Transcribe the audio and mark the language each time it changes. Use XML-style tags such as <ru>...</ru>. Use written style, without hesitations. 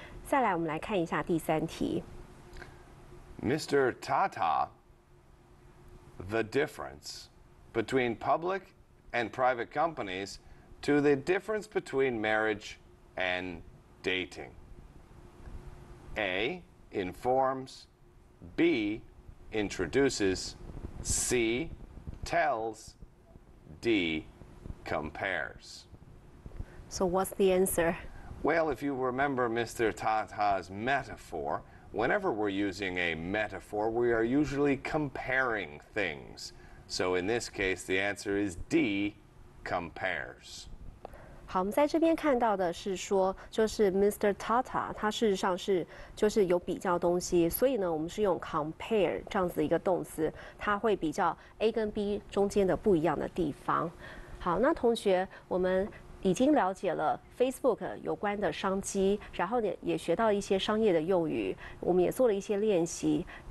<zh>再来，我们来看一下第三题。</zh> <en>Mr. Tata, the difference between public and private companies to the difference between marriage and dating. A, informs, B, introduces, C, tells, D, compares. So what's the answer? Well, if you remember Mr. Tata's metaphor, whenever we're using a metaphor, we are usually comparing things. So in this case, the answer is D, compares.</en> <zh>好，我们在这边看到的是说，就是 Mr. Tata， 他事实上是就是有比较东西，所以呢，我们是用 compare 这样子一个动词，它会比较 A 跟 B 中间的不一样的地方。好，那同学，我们已经了解了 Facebook 有关的商机，然后也学到一些商业的用语，我们也做了一些练习。</zh>